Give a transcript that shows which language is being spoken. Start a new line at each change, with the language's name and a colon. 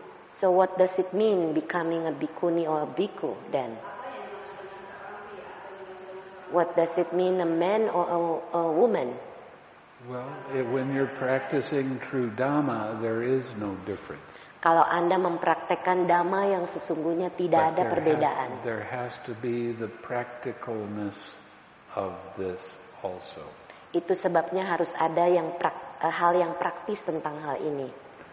English: So what does it mean becoming a bhikkhuni or a bhikkhu then? What does it mean a man or a woman? Well, when you're practicing true Dhamma, there is no difference.
Indonesian: Kalau Anda mempraktekkan Dhamma yang sesungguhnya tidak ada perbedaan.
English: There has to be the practicalness of this also.
Indonesian: Itu sebabnya harus ada yang hal yang praktis tentang hal ini.